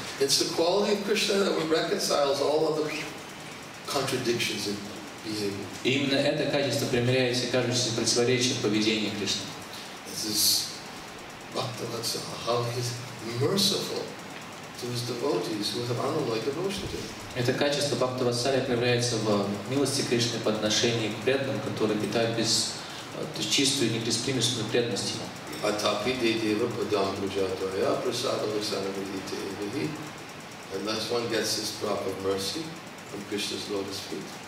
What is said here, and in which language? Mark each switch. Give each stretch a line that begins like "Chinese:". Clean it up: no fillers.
English: It's the quality of Krishna that reconciles all other contradictions in behavior.
Russian: Именно это качество примиряет все кажущиеся противоречия в поведении Кришны.
English: Bhaktivatsala, how he is merciful to his devotees who have unalloyed devotion to him.
Russian: Это качество Бхактивасали проявляется в милости Кришны по отношению к преданным, которые питают чистую неприспримесную преданность ему.
Sanskrit: Атапи дедева падам бхуджатвая прасадава санавидите эвихи.
English: Unless one gets this drop of mercy from Krishna's lotus feet,